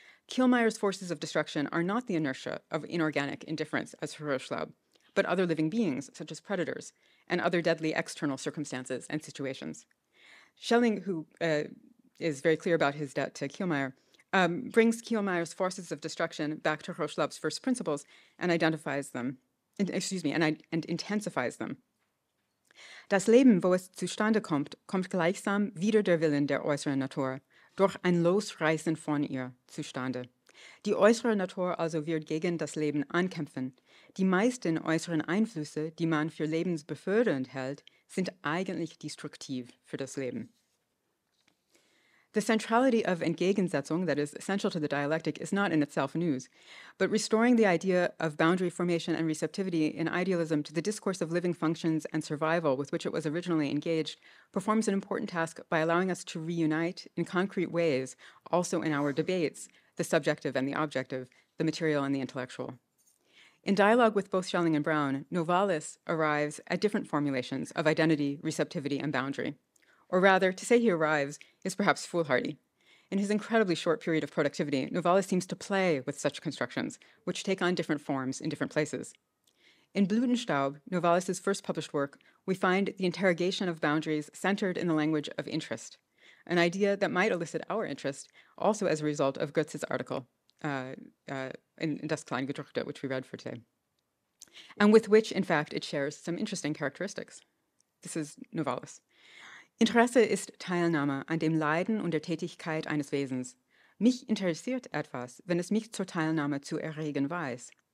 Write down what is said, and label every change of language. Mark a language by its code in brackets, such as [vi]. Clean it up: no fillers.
[en] Kielmeyer's forces of destruction are not the inertia of inorganic indifference as Hirschlaub, but other living beings, such as predators, and other deadly external circumstances and situations. Schelling, who is very clear about his debt to Kielmeyer, brings Kielmeyer's forces of destruction back to Hirschlaub's first principles and intensifies them. [de] Das Leben, wo es zustande kommt, kommt gleichsam wider der Willen der äußeren Natur, durch ein Losreißen von ihr zustande. Die äußere Natur also wird gegen das Leben ankämpfen. Die meisten äußeren Einflüsse, die man für lebensbefördernd hält, sind eigentlich destruktiv für das Leben. [en] The centrality of Entgegensetzung, that is essential to the dialectic, is not in itself news. But restoring the idea of boundary formation and receptivity in idealism to the discourse of living functions and survival with which it was originally engaged performs an important task by allowing us to reunite in concrete ways, also in our debates, the subjective and the objective, the material and the intellectual. In dialogue with both Schelling and Brown, Novalis arrives at different formulations of identity, receptivity, and boundary. Or rather, to say he arrives is perhaps foolhardy. In his incredibly short period of productivity, Novalis seems to play with such constructions, which take on different forms in different places. In Blütenstaub, Novalis's first published work, we find the interrogation of boundaries centered in the language of interest, an idea that might elicit our interest, also as a result of Goetz's article in Das Kleingedruckte, which we read for today, and with which, in fact, it shares some interesting characteristics. This is Novalis. [de] Interesse ist Teilnahme an dem Leiden und der Tätigkeit eines Wesens. Mich interessiert etwas, wenn es mich zur Teilnahme zu erregen weiß.